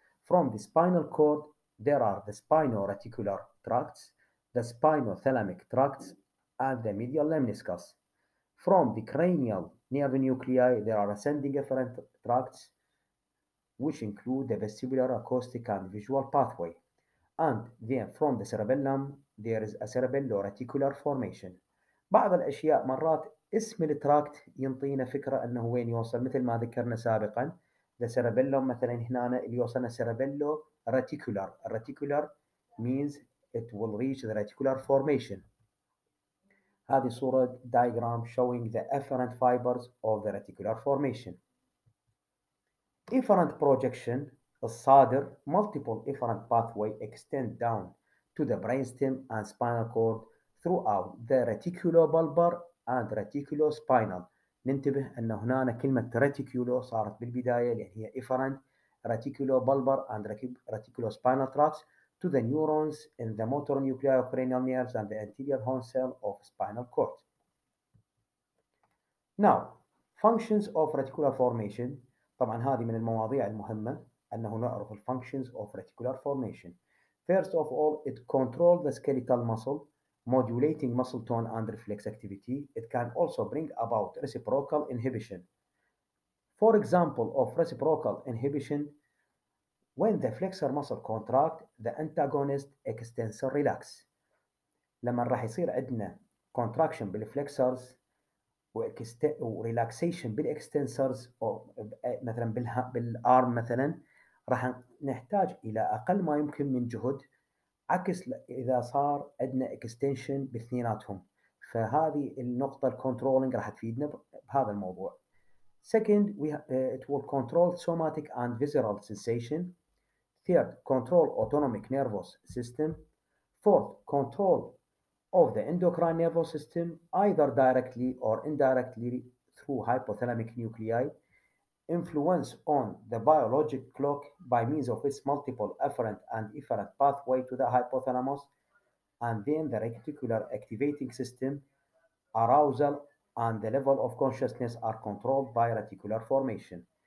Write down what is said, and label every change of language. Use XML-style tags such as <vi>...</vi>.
<en>From the spinal cord, there are the spinoreticular tracts, the spinothalamic tracts, and the medial lemniscus. From the cranial nerve nuclei, there are ascending efferent tracts, which include the vestibular, acoustic, and visual pathway. And then from the cerebellum, there is a cerebelloreticular formation.</en> <ar>بعض الأشياء مرات اسم التراكت ينطينا فكرة أنه وين يوصل، مثل ما ذكرنا سابقا the cerebellum مثلا هنا اللي يوصلنا cerebelloreticular.</ar> <en>Reticular means it will reach the reticular formation.</en> <ar>هذه صورة</ar> <en>diagram showing the efferent fibers of the reticular formation. Efferent projection الصادر multiple efferent pathway extend down to the brainstem and spinal cord throughout the reticulobulbar and reticulospinal.</en> <ar>ننتبه أن هنا كلمة reticulo صارت بالبداية لأن هي</ar> <en>efferent reticulobulbar and reticulospinal tracts to the neurons in the motor nuclei of cranial nerves and the anterior horn cell of spinal cord. Now, functions of reticular formation.</en> <ar>طبعا هذه من المواضيع المهمة أنه نعرف الـ</ar> <en>functions of reticular formation. First of all, it controls the skeletal muscle, modulating muscle tone and reflex activity. It can also bring about reciprocal inhibition. For example of reciprocal inhibition, when the flexor muscle contract, the antagonist extensor relax.</en> <ar>لما راح يصير عندنا contraction بالflexors وrelaxation بالextensors أو مثلا بالarm مثلا راح نحتاج إلى أقل ما يمكن من جهد، عكس إذا صار عندنا extension باثنيناتهم. فهذه النقطة controlling راح تفيدنا بهذا الموضوع.</ar> <en>Second, it will control somatic and visceral sensation. Third, control autonomic nervous system. Fourth, control of the endocrine nervous system, either directly or indirectly through hypothalamic nuclei, influence on the biologic clock by means of its multiple efferent and efferent pathway to the hypothalamus, and then the reticular activating system, arousal, and the level of consciousness are controlled by reticular formation.</en>